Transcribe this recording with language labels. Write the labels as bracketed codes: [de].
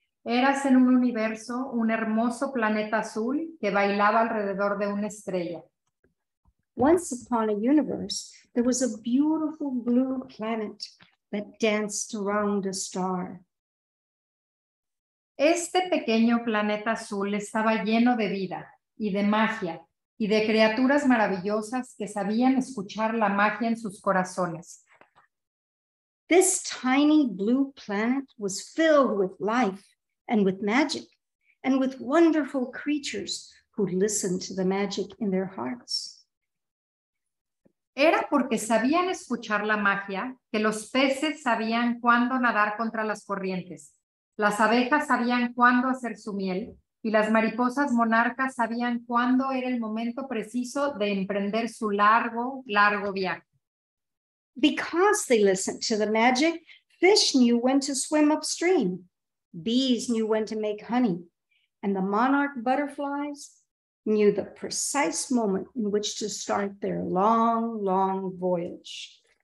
[es] Eras en un universo un hermoso planeta azul que bailaba alrededor de una estrella. [en] Once upon a universe, there was a beautiful blue planet that danced around a star. [es] Este pequeño planeta azul estaba lleno de vida y de magia y de criaturas maravillosas que sabían escuchar la magia en sus corazones. [en] This tiny blue planet was filled with life and with magic and with wonderful creatures who listened to the magic in their hearts. [es] Era porque sabían escuchar la magia que los peces sabían cuándo nadar contra las corrientes, las abejas sabían cuándo hacer su miel y las mariposas monarcas sabían cuándo era el momento preciso de emprender su largo, largo viaje. [en] Because they listened to the magic, fish knew when to swim upstream, bees knew when to make honey, and the monarch butterflies knew the precise moment in which to start their long, long voyage.